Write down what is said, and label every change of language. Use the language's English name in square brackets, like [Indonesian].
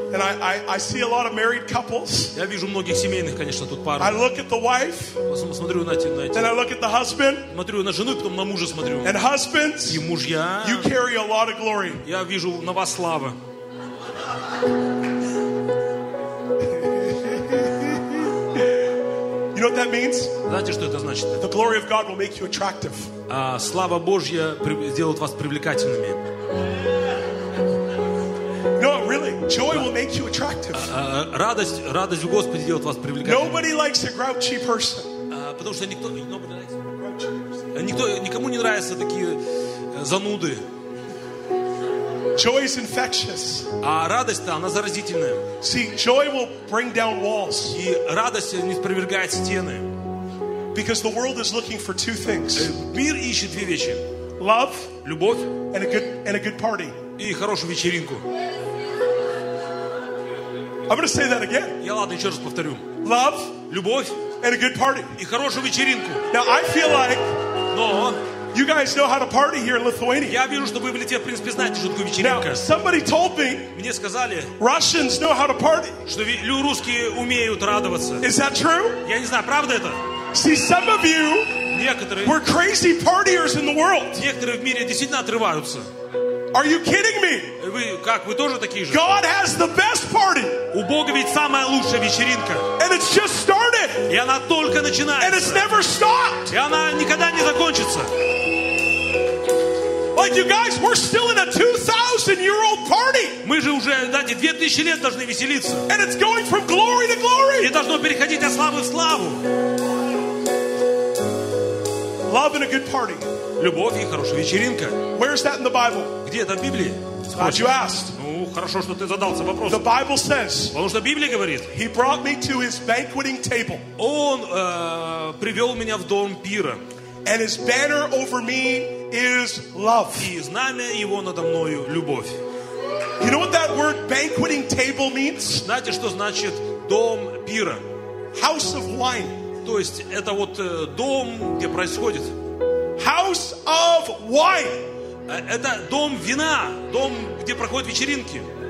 [English] And I see a lot of married couples. [Russian] Я вижу многих семейных, конечно, тут пару. [English] I look at the wife. [Russian] Смотрю на эти. [English] Then I look at the husband. [Russian] Смотрю на жену, потом на мужа смотрю. [English] And husbands. [Russian] И мужья. [English] You carry a lot of glory. [Russian] Я вижу на вас слава. [English] You know what that means? [Russian] Знаете, что это значит? [English] The glory of God will make you attractive. [Russian] Слава Божья сделает вас привлекательными. [English] No, really. Joy will make you attractive. [Russian] Радость в Господе делает вас привлекательными. [English] Nobody likes a grouchy person. [Russian] Потому что никому не нравятся такие зануды. [English] Joy is infectious. [Russian] А радость-то, она заразительная. [English] See, joy will bring down walls. [Russian] И радость не опровергает стены. [English] Because the world is looking for two things. [Russian] Мир ищет две вещи. [English] Love. [Russian] Любовь. [English] And a good party. [Russian] И хорошую вечеринку. [English] I'm going to say that again. [Russian] Я ладно, еще раз повторю. [English] Love. [Russian] Любовь. [English] And a good party. [Russian] И хорошую вечеринку. [English] Now I feel like. [Russian] Но. [English] You guys know how to party here in Lithuania. [Russian] Я вижу, что вы в Литве, в принципе, знаете, что такое вечеринка. [English] Now, somebody told me. [Russian] Мне сказали. [English] Russians know how to party. [Russian] Что русские умеют радоваться. [English] Is that true? [Russian] Я не знаю, правда это? [English] See, some of you. [Russian] Некоторые. [English] Were crazy partiers in the world. [Russian] Некоторые в мире действительно отрываются. [English] Are you kidding me? [Russian] Вы как? Вы тоже такие же? [English] God has the best party. [Russian] У Бога ведь самая лучшая вечеринка. [English] And it's just started. [Russian] И она только начинается. [English] And it's never stopped. [Russian] И она никогда не закончится. [English] Like you guys, we're still in a 2,000-year-old party. [Russian] Мы же уже, знаете, 2000 лет должны веселиться. [English] And it's going from glory to glory. [Russian] И должно переходить от славы в славу. [English] Love and a good party. [Russian] Любовь и хорошая вечеринка. [English] Where's that in the Bible? [Russian] Где это в Библии? [English] Glad you asked. [Russian] Ну, хорошо, что ты задался вопросом. [English] The Bible says. [Russian] Потому что Библия говорит. [English] He brought me to his banqueting table. [Russian] Он привел меня в дом пира. [English] And his banner over me is love. [Russian] И знамя его надо мною — любовь. [English] You know what that word banqueting table means? [Russian] Знаете, что значит дом пира? [English] House of wine. [Russian] то есть это вот дом, где происходит. [English] House of wine. [Russian] Это дом вина, дом, где проходят вечеринки.